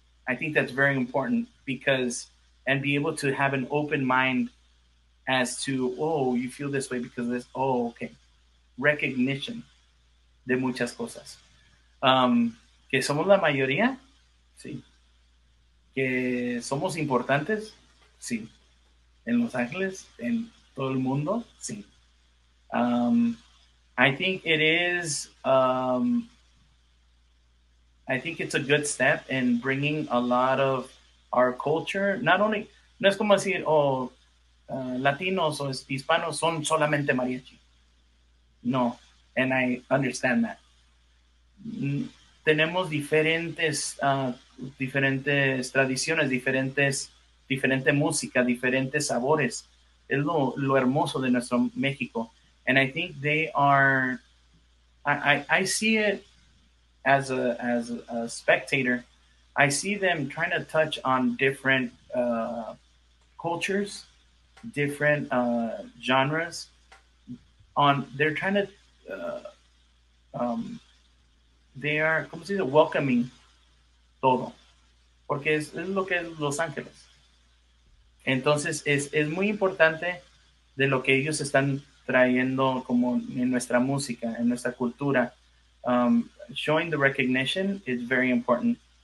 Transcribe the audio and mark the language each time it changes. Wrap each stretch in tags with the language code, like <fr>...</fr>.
<en>I think that's very important because be able to have an open mind as to, oh, you feel this way because of this. Oh, okay.</en> <es>Recognition de muchas cosas. Que somos la mayoría. Sí. que somos importantes, sí. En Los Ángeles, en todo el mundo, sí.</es> <en>I think it is, I think it's a good step in bringing a lot of our culture, not only,</en> <es>no es como decir, oh, Latinos o Hispanos son solamente mariachi.</es> <en>No, and I understand that.</en> <es>Tenemos diferentes, diferentes tradiciones, diferente música, diferentes sabores. Es lo hermoso de nuestro México.</es> <en>And I think they are, I see it as a spectator. I see them trying to touch on different cultures, different genres. They're trying to, they are,</en> <es>¿cómo se dice?</es> <en>Welcoming todo.</en> <es>Porque es lo que es Los Ángeles. Entonces, es muy importante de lo que ellos están trayendo como en nuestra música, en nuestra cultura.</es> <en>Showing the recognition is very important.</en>